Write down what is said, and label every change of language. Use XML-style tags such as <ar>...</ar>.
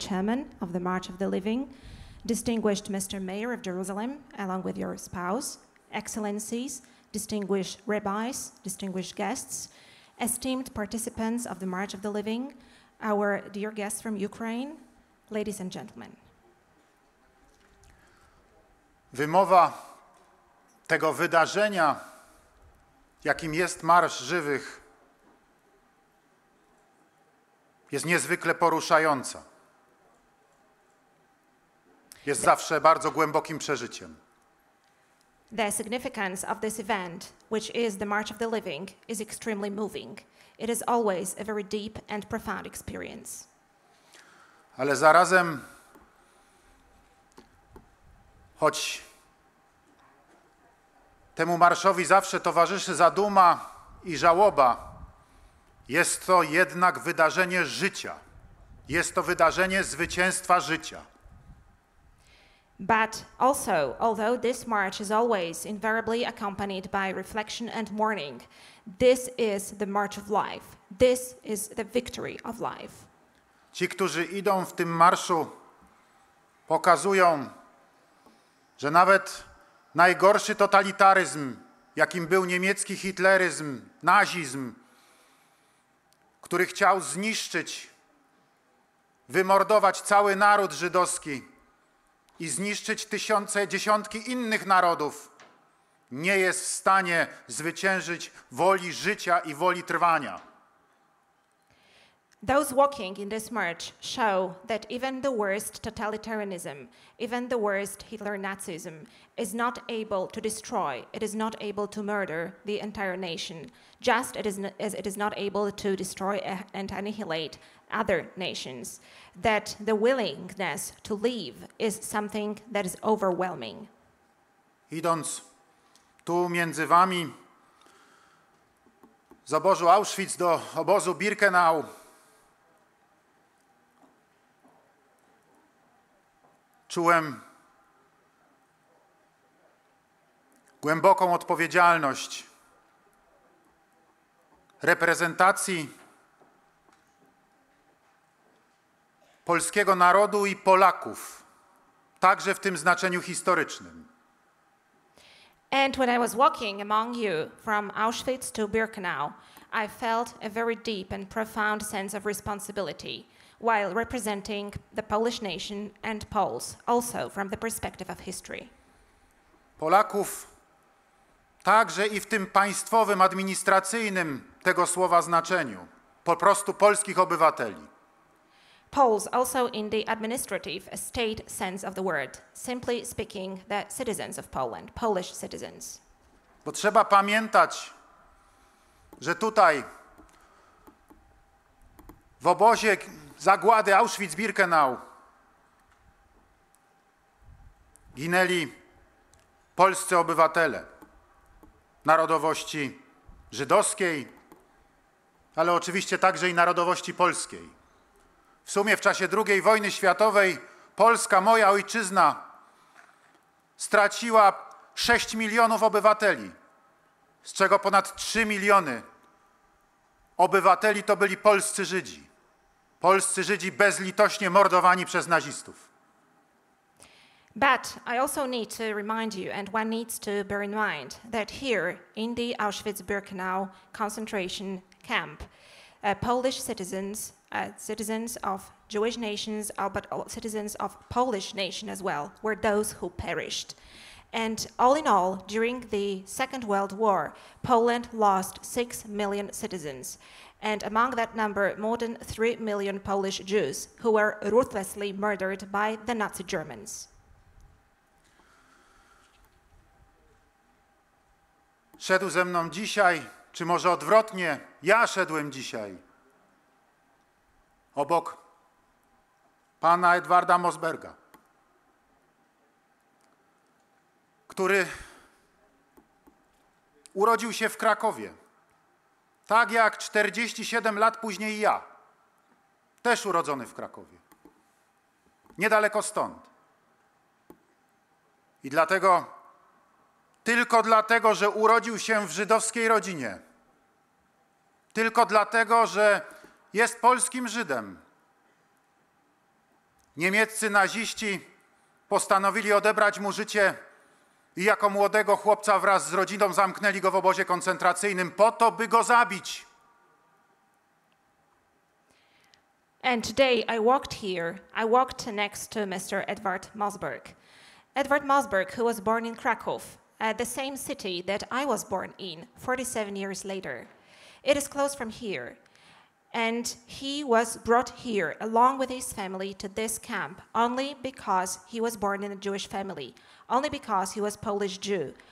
<en>Chairman of the March of the Living, distinguished Mr. Mayor of Jerusalem, along with your spouse, excellencies, distinguished rabbis, distinguished guests, esteemed participants of the March of the Living, our dear guests from Ukraine, ladies and gentlemen.</en> <pl>Wymowa tego wydarzenia, jakim jest Marsz Żywych, jest niezwykle poruszająca. Jest zawsze bardzo głębokim przeżyciem.</pl> <en>The significance of this event, which is the March of the Living, is extremely moving. It is always a very deep and profound experience.</en> <pl>Ale zarazem, choć temu marszowi zawsze towarzyszy zaduma i żałoba, jest to jednak wydarzenie życia. Jest to wydarzenie zwycięstwa życia.</pl> <en>But also, although this march is always invariably accompanied by reflection and mourning, this is the march of life. This is the victory of life.</en> <pl>Ci, którzy idą w tym marszu, pokazują, że nawet najgorszy totalitaryzm, jakim był niemiecki hitleryzm, nazizm, który chciał zniszczyć, wymordować cały naród żydowski, i zniszczyć tysiące, dziesiątki innych narodów, nie jest w stanie zwyciężyć woli życia i woli trwania.</pl> <en>Those walking in this march show that even the worst totalitarianism, even the worst Hitler Nazism is not able to destroy, it is not able to murder the entire nation, just as it is not able to destroy and annihilate other nations, that the willingness to leave is something that is overwhelming.</en> <pl>Idąc tu między wami z obozu Auschwitz do obozu Birkenau, czułem głęboką odpowiedzialność reprezentacji polskiego narodu i Polaków, także w tym znaczeniu historycznym.</pl> <en>And when I was walking among you from Auschwitz to Birkenau, I felt a very deep and profound sense of responsibility while representing the Polish nation and Poles, also from the perspective of history.</en> <pl>Polaków także i w tym państwowym, administracyjnym tego słowa znaczeniu, po prostu polskich obywateli.</pl> <en>Poles also in the administrative state sense of the word, simply speaking the citizens of Poland, Polish citizens.</en> <pl>Bo trzeba pamiętać, że tutaj w obozie zagłady Auschwitz-Birkenau ginęli polscy obywatele narodowości żydowskiej, ale oczywiście także i narodowości polskiej. W sumie w czasie II wojny światowej Polska, moja ojczyzna, straciła 6 milionów obywateli, z czego ponad 3 miliony obywateli to byli polscy Żydzi. Polscy Żydzi bezlitośnie mordowani przez nazistów.</pl> <en>But I also need to remind you, and one needs to bear in mind, that here in the Auschwitz-Birkenau concentration camp, Polish citizens, citizens of Jewish nations, but citizens of Polish nation as well, were those who perished. And all in all, during the Second World War, Poland lost 6 million citizens. And among that number, more than 3 million Polish Jews who were ruthlessly murdered by the Nazi Germans.</en> <pl>Szedł ze mną dzisiaj, czy może odwrotnie, ja szedłem dzisiaj obok pana Edwarda Mosberga, który urodził się w Krakowie, tak jak 47 lat później ja, też urodzony w Krakowie, niedaleko stąd. I dlatego, tylko dlatego, że urodził się w żydowskiej rodzinie, tylko dlatego, że jest polskim Żydem, niemieccy naziści postanowili odebrać mu życie i jako młodego chłopca wraz z rodziną zamknęli go w obozie koncentracyjnym po to, by go zabić.</pl> <en>And today I walked here, I walked next to Mr. Edward Mosberg. Edward Mosberg, who was born in Krakow, the same city that I was born in 47 years later. It is close from here. And he was brought here along with his family to this camp only because he was born in a Jewish family, only because he was Polish Jew.</en>